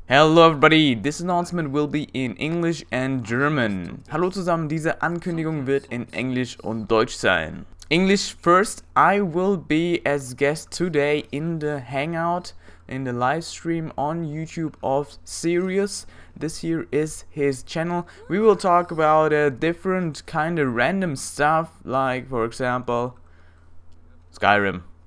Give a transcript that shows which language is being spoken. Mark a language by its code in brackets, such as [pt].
[en] Hello everybody, this announcement will be in English and German. [de] Hallo zusammen, diese Ankündigung wird in Englisch und Deutsch sein. [en] English first, I will be as guest today in the Hangout, in the Livestream on YouTube of Sirius. This here is his channel. We will talk about a different kind of random stuff, like for example, Skyrim.